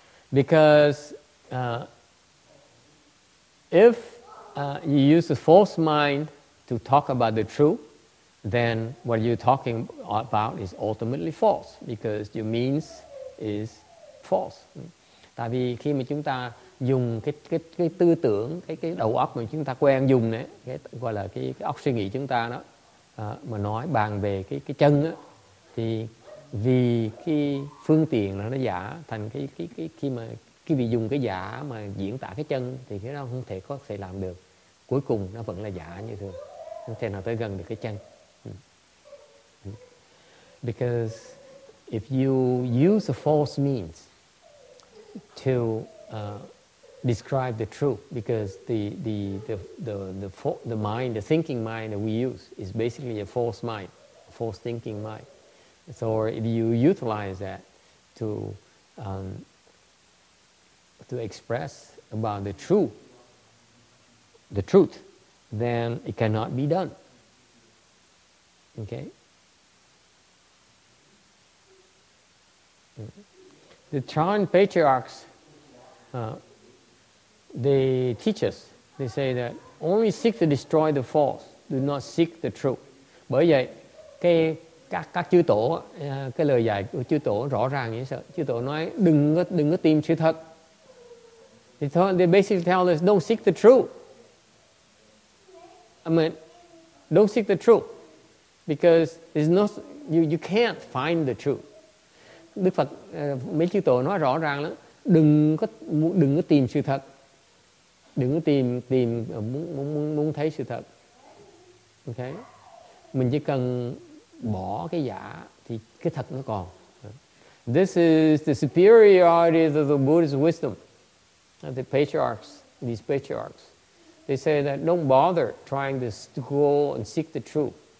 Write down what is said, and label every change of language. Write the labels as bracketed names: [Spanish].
[English] Because if you use a false mind to talk about the truth, then what you're talking about is ultimately false, because your means is false. [Vietnamese] Tại vì khi mà chúng ta dùng cái tư tưởng, cái đầu óc mà chúng ta quen dùng đấy, cái gọi là cái óc suy nghĩ chúng ta đó, mà nói bàn về cái chân á, thì vì cái phương tiện nó giả, thành cái khi mà cái vị dùng cái giả mà diễn tả cái chân thì cái đó không thể có thể làm được, cuối cùng nó vẫn là giả như thường, không thể nào tới gần được cái chân. [English] Because if you use a false means to describe the truth, because the mind, the thinking mind that we use is basically a false mind, a false thinking mind. So if you utilize that to express about the truth, then it cannot be done. Okay? The Chan patriarchs, they teach us, they say that only seek to destroy the false, do not seek the truth. [Vietnamese] Bởi vậy, các chư tổ, cái lời dạy của chư tổ rõ ràng như sợ. Chư tổ nói đừng có tìm sự thật. [English] They basically tell us don't seek the truth. I mean, don't seek the truth because it's not, you can't find the truth. [Vietnamese] Đức Phật, mấy chư tổ nói rõ ràng lắm. Đừng có tìm sự thật. Đừng có tìm muốn thấy sự thật. Okay? Mình chỉ cần bỏ cái giả thì cái thật nó còn. [English] This is the superiority of the Buddhist wisdom. The patriarchs, these patriarchs, they say that don't bother trying to go and seek the truth.